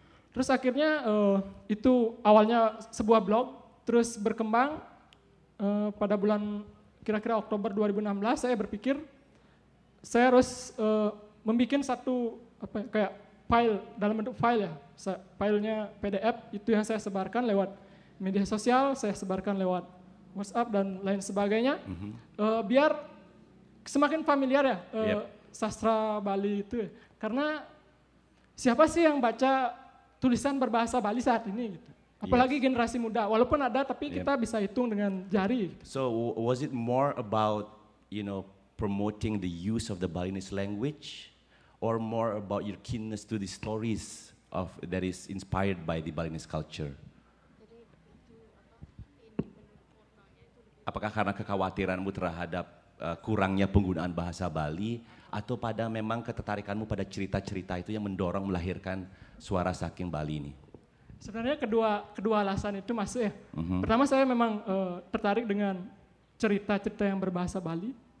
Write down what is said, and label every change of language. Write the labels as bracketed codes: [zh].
[id] Terus akhirnya itu awalnya sebuah blog, terus berkembang pada bulan kira-kira Oktober 2016 saya berpikir saya harus membuat satu apa kayak file dalam bentuk file ya, filenya PDF itu yang saya sebarkan lewat media sosial, saya sebarkan lewat WhatsApp dan lain sebagainya, biar semakin familiar ya sastra Bali itu. Karena siapa sih yang baca tulisan berbahasa Bali saat ini gitu? Apalagi yes. generasi muda. Walaupun ada tapi yeah. kita bisa hitung dengan jari. [en] So was it more about, you know, promoting the use of the Balinese language or more about your keenness to the stories of that is inspired by the Balinese culture? [id] Apakah karena kekhawatiranmu terhadap kurangnya penggunaan bahasa Bali atau pada memang ketertarikanmu pada cerita-cerita itu yang mendorong melahirkan suara saking Bali ini? Sebenarnya kedua alasan itu masuk ya. Mm-hmm. Pertama saya memang tertarik dengan cerita-cerita yang berbahasa Bali.